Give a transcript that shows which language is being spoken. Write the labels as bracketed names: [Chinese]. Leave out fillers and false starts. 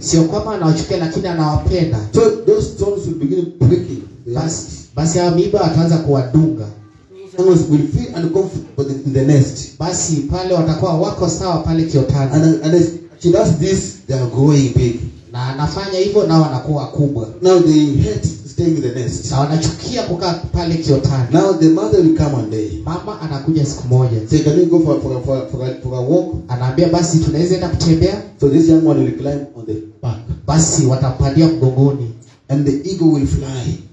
[Swahili] Sio kwamba anawachukia lakini anawapenda. [English] So those thorns will begin pricking. [Swahili] Basi hao miiba ataanza kuwadunga. [English] Animals will feel uncomfortable in the nest. [Swahili] Basi pale watakuwa wako sawa pale kiotani. [English] And as she does this, they are growing big. [Swahili] Na anafanya hivyo na wanakuwa kubwa. [English] Now they hate staying in the nest. [Swahili] Na wanachukia kukaa pale kiotani. [English] Now the mother will come one day. [Swahili] Mama anakuja siku moja. [English] Say, can you go for a walk? [Swahili] Anaambia basi tunaweza enda kutembea. [English] So this young one will climb on the back. [Swahili] Basi watapandia mgongoni. [English] And the eagle will fly.